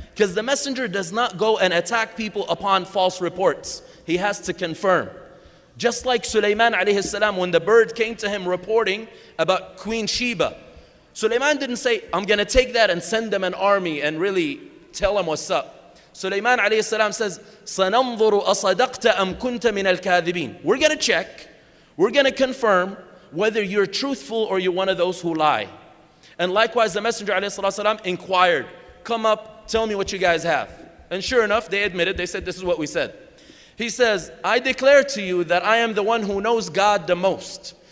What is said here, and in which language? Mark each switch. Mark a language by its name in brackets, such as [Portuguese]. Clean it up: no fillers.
[English] Because the messenger does not go and attack people upon false reports. He has to confirm. Just like Sulaiman alayhi salam, when the bird came to him reporting about Queen Sheba, Sulaiman didn't say, I'm going to take that and send them an army and really tell them what's up. Sulaiman alayhi salam says, [Arabic] سَنَنْظُرُ أَصَدَقْتَ أَمْ كُنْتَ مِنَ الْكَاذِبِينَ. [English] We're going to check, we're going to confirm whether you're truthful or you're one of those who lie. And likewise, the messenger alayhi salam inquired, come up, tell me what you guys have. And sure enough, they admitted, they said, this is what we said. He says, I declare to you that I am the one who knows God the most.